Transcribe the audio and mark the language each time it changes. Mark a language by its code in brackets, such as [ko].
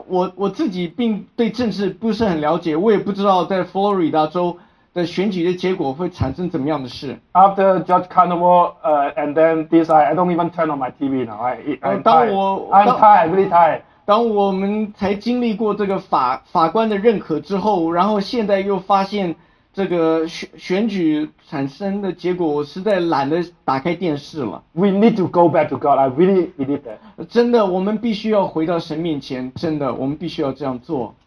[zh] 我真的也不知道，我自己并对政治不是很了解， 我也不知道在佛罗里达州的选举的结果会产生怎么样的事。 [en] After Judge Carnival, and then this, I don't even turn on my TV now. I'm really tired. [zh] 当我们才经历过这个法官的认可之后，然后现在又发现这个选举产生的结果，我实在懒得打开电视了。 [en] We need to go back to God. I really believe that. [zh] 真的，我们必须要回到神面前。真的，我们必须要这样做。